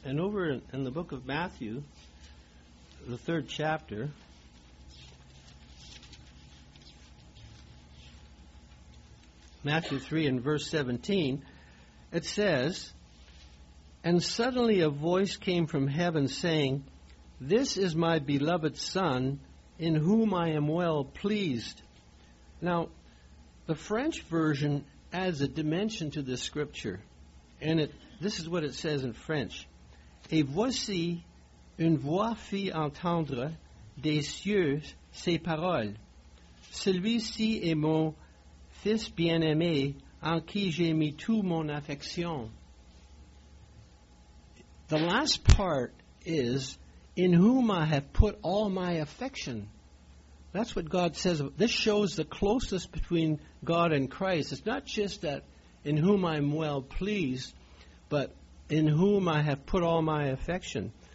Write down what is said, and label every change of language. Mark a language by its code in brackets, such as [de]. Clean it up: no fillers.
[en] And over in the book of Matthew, the third chapter, Matthew 3 and verse 17, it says, "And suddenly a voice came from heaven saying, 'This is my beloved Son, in whom I am well pleased.'" Now, the French version adds a dimension to this scripture. And this is what it says in French. [fr] "Et voici, une voix fit entendre des cieux ces paroles. Celui-ci est mon fils bien-aimé, en qui j'ai mis toute mon affection." [en] The last part is, in whom I have put all my affection. That's what God says. This shows the closeness between God and Christ. It's not just that in whom I'm well pleased, but in whom I have put all my affection.